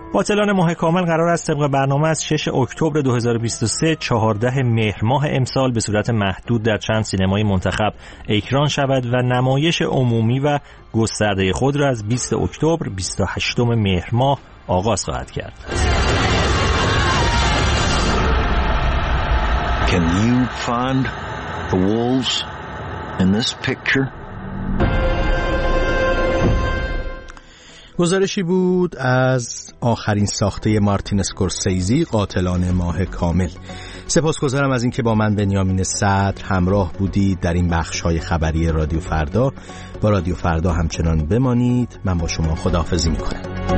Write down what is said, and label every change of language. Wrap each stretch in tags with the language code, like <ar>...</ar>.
<fa>قاتلان ماه کامل قرار است طبق برنامه از 6 اکتبر 2023 14 مهر ماه امسال به صورت محدود در چند سینمای منتخب اکران شود و نمایش عمومی و گسترده خود را از 20 اکتبر 28 مهر ماه آغاز خواهد کرد.</fa> <en>Can you find the wolves in this picture?</en> <fa>گزارشی بود از آخرین ساخته مارتین اسکورسیزی، قاتلان ماه کامل. سپاسگزارم از اینکه با من بنیامین صدر همراه بودید در این بخش‌های خبری رادیو فردا. با رادیو فردا همچنان بمانید. من با شما خداحافظی می‌کنم.</fa>